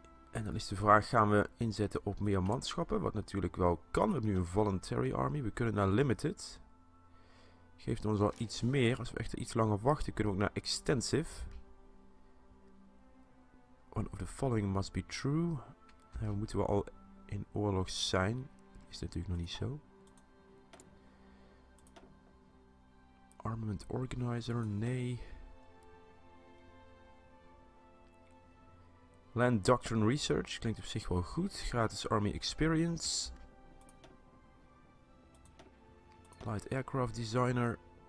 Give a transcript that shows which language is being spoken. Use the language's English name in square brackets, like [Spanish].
[Dutch] En dan is de vraag, gaan we inzetten op meer manschappen? Wat natuurlijk wel kan. We hebben nu een voluntary army. We kunnen naar limited. Geeft ons al iets meer. Als we echt iets langer wachten, kunnen we ook naar extensive. [English] One of the following must be true. [Dutch] Ja, we moeten wel al in oorlog zijn. Is dat natuurlijk nog niet zo. [English] Armament organizer, nee. Land doctrine research, [Dutch] klinkt op zich wel goed. [English] Gratis army experience. Light aircraft designer.